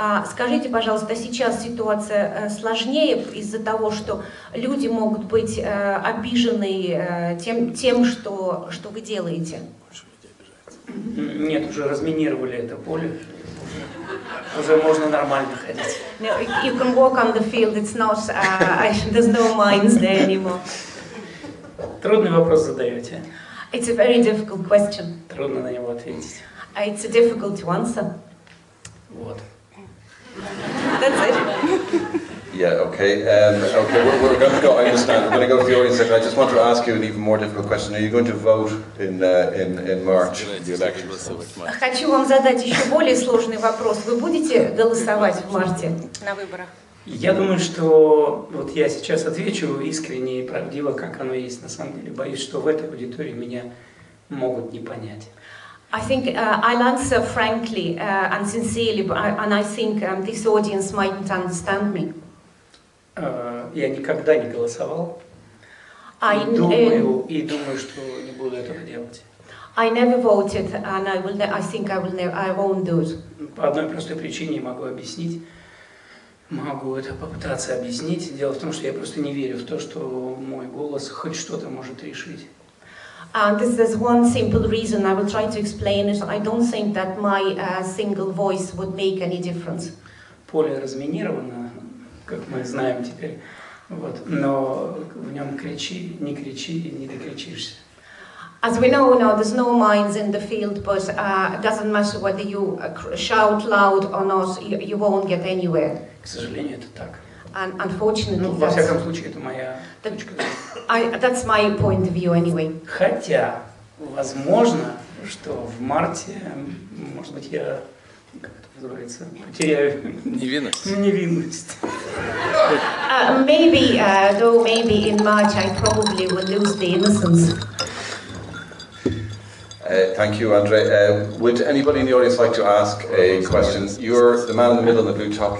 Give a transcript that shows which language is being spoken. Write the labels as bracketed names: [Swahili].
[Russian] Скажите, пожалуйста, сейчас ситуация сложнее из-за того, что люди могут быть обижены тем, что вы делаете? Нет, уже разминировали это поле. Уже можно нормально ходить. [English] You can walk on the field, it's not, there's no mines there anymore. [Russian] Трудный вопрос задаете. [English] It's a very difficult question. [Russian] Трудно на него ответить. [English] It's a difficult to answer. [Russian] Вот. [English] That's it. Yeah, okay. Okay, we're going to go, I understand. We're going to go to the audience. I just want to ask you an even more difficult question. Are you going to vote in March, the election? [Russian] Хочу вам задать еще более сложный вопрос. Вы будете голосовать в марте на выборах? Я думаю, что вот я сейчас отвечу искренне и правдиво, как оно есть на самом деле. Боюсь, что в этой аудитории меня могут не понять. [English] I think I'll answer frankly and sincerely, but I think this audience mightn't understand me. [Russian] Я никогда не голосовал. И думаю, что не буду этого делать. [English] I never voted and I won't do it. [Russian] По одной простой причине я могу объяснить. Могу это попытаться объяснить. Дело в том, что я просто не верю в то, что мой голос хоть что-то может решить. [English] This is one simple reason. I will try to explain it. I don't think that my single voice would make any difference. [Russian] Поле разминировано, как мы знаем теперь. Вот. Но в нем кричи, не докричишься. [English] As we know now, there's no mines in the field, but it doesn't matter whether you shout loud or not, you won't get anywhere. [Russian] К сожалению, это так. [English] And unfortunately, [Russian] ну, во всяком случае, это моя точка. [English] That's my point of view anyway. [Russian] Хотя, возможно, что в марте, может быть, я, как это называется, потеряю невинность. [English] Maybe in March I probably will lose the innocence. Thank you, Andrei. Would anybody in the audience like to ask a question? You're the man in the middle in the blue top.